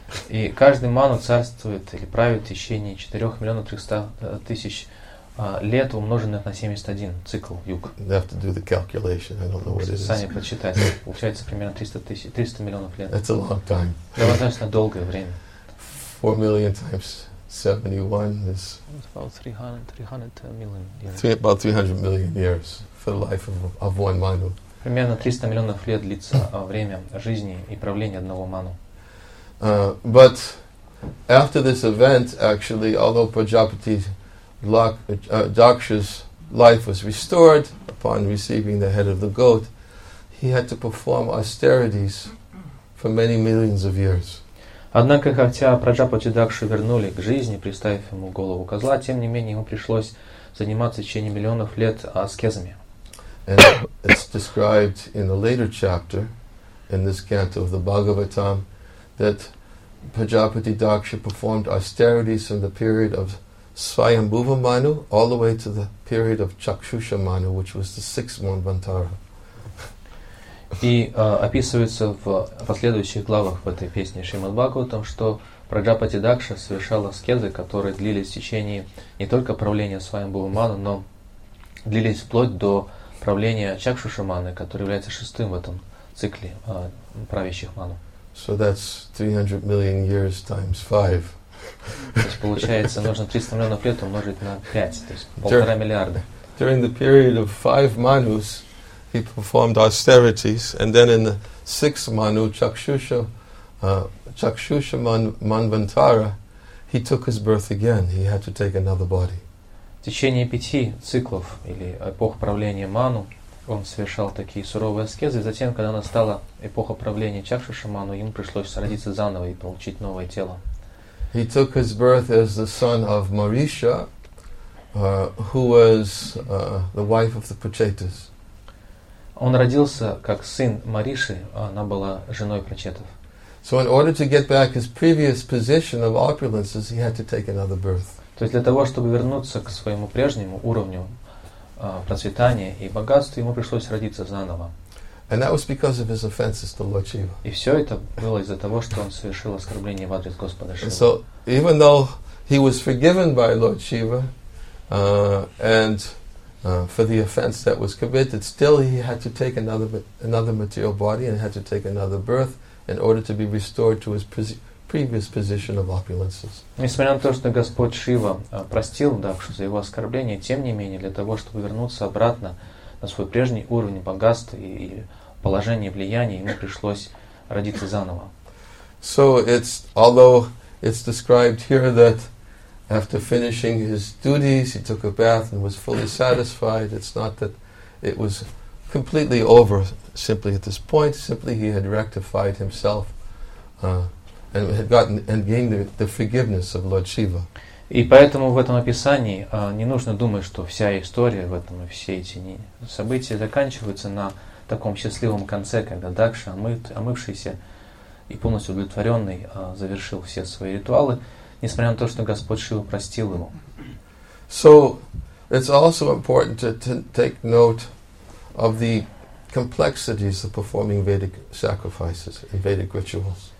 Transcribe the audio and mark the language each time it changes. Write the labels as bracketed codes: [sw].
[ru] И каждый ману царствует или правит в течение 4,300,000 лет, умноженных на 71 цикл юг. [en] You have to do the calculation. I don't know what it is. [ru] Сами прочитайте. Получается примерно 300 миллионов лет. [en] That's a long time. [ru] Достаточно долгое время. [en] 4 million times 71 is about 300 million years. About 300 million years for the life of one manu. [ru] Примерно 300 миллионов лет длится время жизни и правления одного ману. [en] But after this event, actually, although Prajapati Daksha's life was restored upon receiving the head of the goat, he had to perform austerities for many millions of years. [ru] Однако, хотя Праджапати Дакшу вернули к жизни, приставив ему голову козла, тем не менее ему пришлось заниматься в течение миллионов лет аскезами. [en] And it's described in a later chapter in this canto of the Bhagavatam that Prajapati Daksha performed austerities from the period of Svayambhuva Manu all the way to the period of Chakshusha Manu, which was the sixth Manvantara. [ru] И описывается в последующих главах в этой песне Шримад Бхагаватам, что Праджапати Дакша совершала аскезы, которые длились в течение не только правления Свайамбхува Ману, но длились вплоть до правления Чакшуша Маны, который является шестым в этом цикле правящих Ману. [en] So that's 300 million years times 5. [ru] То есть получается, нужно 300 миллионов лет умножить на 5, то есть 1.5 миллиарда. [en] During the period of 5 Manus, he performed austerities, and then in the sixth Manu, Chakshusha Manvantara, he took his birth again. He had to take another body. [ru] В течение пяти циклов или эпох правления Ману он совершал такие суровые аскезы, и затем, когда настала эпоха правления Чакшуша Ману, ему пришлось родиться заново и получить новое тело. [en] He took his birth as the son of Marisha, who was the wife of the Pachetas. [ru] Он родился как сын Мариши, она была женой Прачетов. [en] So in order to get back his previous position of opulences, he had to take another birth. [ru] То есть для того, чтобы вернуться к своему прежнему уровню процветания и богатства, ему пришлось родиться заново. [en] And that was because of his offenses to Lord Shiva. [ru] И все это было из-за того, что он совершил оскорбление в адрес Господа Шивы. [en] So even though he was forgiven by Lord Shiva, for the offense that was committed, still he had to take another material body and had to take another birth in order to be restored to his previous position of opulences. [ru] Несмотря на то, что Господь Шива простил Дакшу за его оскорбление, тем не менее, для того, чтобы вернуться обратно на свой прежний уровень богатства и положения влияния, ему пришлось родиться заново. [en] So although it's described here that after finishing his duties, he took a bath and was fully satisfied. It's not that it was completely over simply at this point. Simply he had rectified himself and had gotten and gained the forgiveness of Lord Shiva. [ru] И поэтому в этом описании не нужно думать, что вся история в этом и все эти события заканчиваются на таком счастливом конце, когда Дакша, омывшийся и полностью удовлетворенный, завершил все свои ритуалы. Несмотря на то, что Господь Шива простил ему. [en] So, it's also important to take note of the complexities of performing Vedic sacrifices and Vedic rituals.